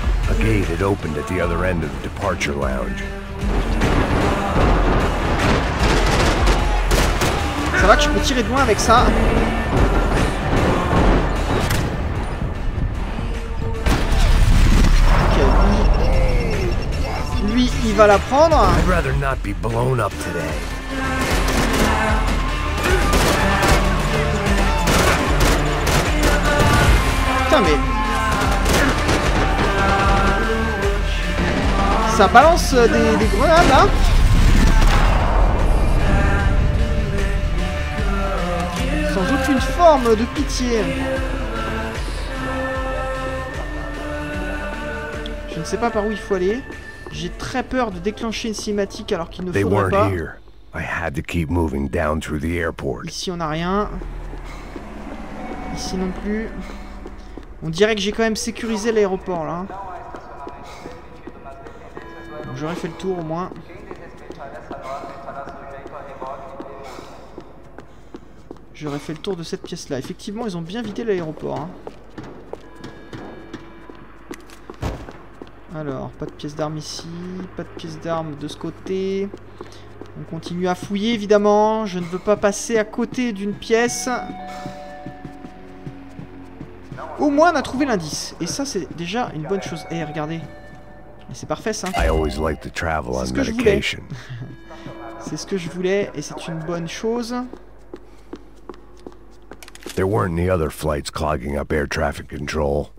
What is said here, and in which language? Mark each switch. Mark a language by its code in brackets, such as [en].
[en] A gate had opened at the other end of the departure lounge. [fr] Ça va que je peux tirer de loin avec ça. Ok. Lui, il va la prendre. [en] I'd rather not be blown up today. [fr] Mais ça balance des grenades là. Sans aucune forme de pitié. Je ne sais pas par où il faut aller. J'ai très peur de déclencher une cinématique alors qu'il ne faudrait pas. [en] Here. I had to keep moving down through the airport. [fr] Ici on n'a rien. Ici non plus. On dirait que j'ai quand même sécurisé l'aéroport là. Donc j'aurais fait le tour au moins. J'aurais fait le tour de cette pièce là. Effectivement, ils ont bien vidé l'aéroport. Hein. Alors, pas de pièce d'arme ici. Pas de pièce d'arme de ce côté. On continue à fouiller évidemment. Je ne veux pas passer à côté d'une pièce. Au moins, on a trouvé l'indice. Et ça, c'est déjà une bonne chose. Eh, regardez. C'est parfait, ça. C'est ce que je voulais. C'est ce que je voulais, et c'est une bonne chose. [en] There weren't any other flights clogging up air traffic control.